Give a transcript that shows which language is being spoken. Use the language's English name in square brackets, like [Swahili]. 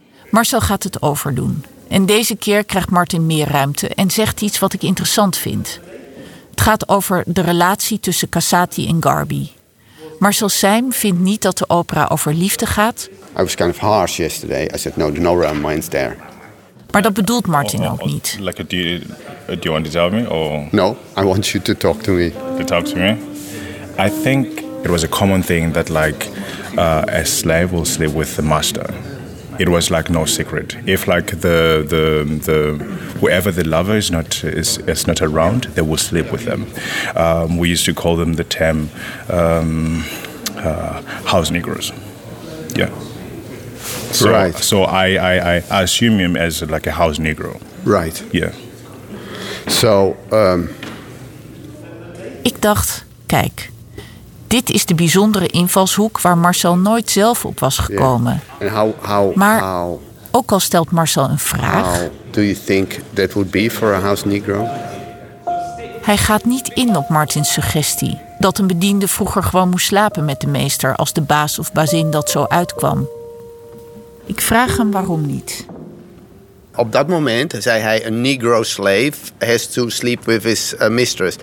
[Dutch] Marcel gaat het overdoen. En deze keer krijgt Martin meer ruimte en zegt iets wat ik interessant vind. Het gaat over de relatie tussen Cassati en Garby. Marcel Seim vindt niet dat de opera over liefde gaat. [English] I was kind of harsh yesterday. I said no romance there. [Dutch] Maar dat bedoelt Martin ook niet. [English] Like, do you want to tell me? Or? No, I want you to talk to me. To talk to me? I think it was a common thing that like a slave will sleep with the master. It was like no secret. If like the whoever the lover is not around, they will sleep with them. We used to call them the term house negroes. Yeah. So, right. So I assume him as like a house negro. Right. Yeah. So. [Dutch] Ik dacht, kijk, dit is de bijzondere invalshoek waar Marcel nooit zelf op was gekomen. [English] Yeah. And how, [Dutch] maar [English] how, [Dutch] ook al stelt Marcel een vraag, [English] how do you think that would be for a house negro? [Dutch] Hij gaat niet in op Martins suggestie dat een bediende vroeger gewoon moest slapen met de meester als de baas of bazin dat zo uitkwam. Ik vraag hem waarom niet. Op dat moment zei hij, [English] a negro slave has to sleep with his mistress.